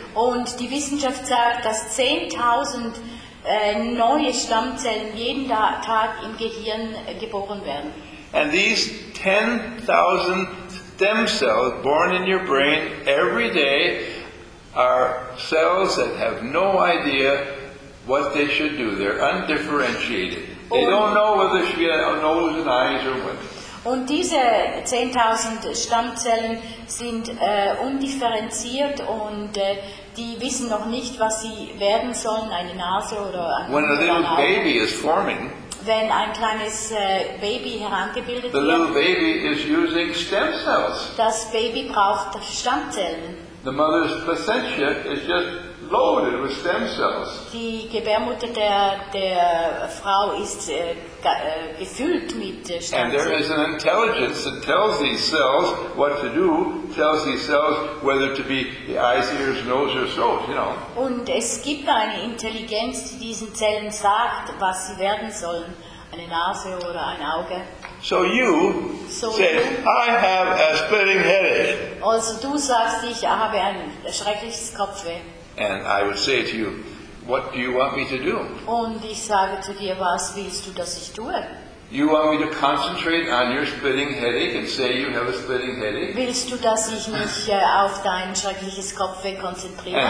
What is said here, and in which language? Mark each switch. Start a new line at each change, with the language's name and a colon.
German: Und die Wissenschaft sagt, dass 10,000 neue Stammzellen jeden Tag im Gehirn geboren werden.
English: And these 10,000 stem cells born in your brain every day are cells that have no idea what they should do. They're undifferentiated. They don't know whether she has a nose and eyes or what.
German: Und diese 10,000 Stammzellen sind undifferenziert und die wissen noch nicht, was sie werden sollen, eine Nase oder ein Mund.
English: When a little baby is forming,
German: wenn ein kleines Baby herangebildet
English: the
German: wird,
English: little baby is using stem cells.
German: Das Baby braucht Stammzellen.
English: The mother's placenta is just loaded with stem cells.
German: Die Gebärmutter der Frau ist gefüllt mit Stammzellen.
English: And there is an intelligence that tells these cells what to do, tells these cells whether to be the eyes, ears, nose or throat, you know.
German: Und es gibt eine Intelligenz, die diesen Zellen sagt, was sie werden sollen, eine Nase oder ein Auge.
English: So you say, I have a splitting headache.
German: Also du sagst, ich habe ein schreckliches Kopfweh.
English: And I would say to you, what do you want me to do?
German: Und ich sage zu dir, was willst du, dass ich tue?
English: You want me to concentrate on your splitting headache and say you have a splitting headache?
German: Willst du, dass ich mich auf dein schreckliches Kopfweh konzentriere?